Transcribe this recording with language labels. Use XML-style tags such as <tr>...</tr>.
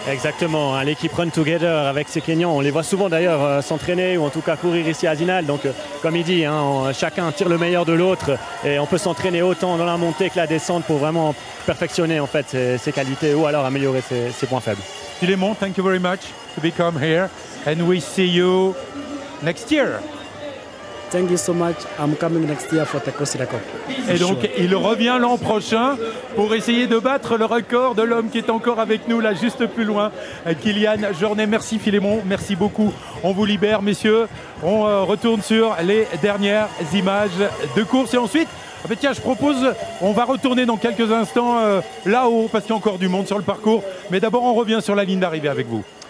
<fr>Exactement, hein, l'équipe Run Together avec ces Kenyans, on les voit souvent d'ailleurs s'entraîner ou en tout cas courir ici à Zinal. Donc, comme il dit, hein, chacun tire le meilleur de l'autre et on peut s'entraîner autant dans la montée que la descente pour vraiment perfectionner en fait ses qualités ou alors améliorer ses points faibles.</fr> <en>Philémon, thank you very much to be come here and we see you next year. Thank you so much. I'm coming next year for the course record.</en> <fr>Et donc, il revient l'an prochain pour essayer de battre le record de l'homme qui est encore avec nous, là, juste plus loin, Kylian Jornet. Merci, Philémon. Merci beaucoup. On vous libère, messieurs. On retourne sur les dernières images de course. Et ensuite, en fait, tiens, je propose, on va retourner dans quelques instants là-haut, parce qu'il y a encore du monde sur le parcours. Mais d'abord, on revient sur la ligne d'arrivée avec vous.</fr>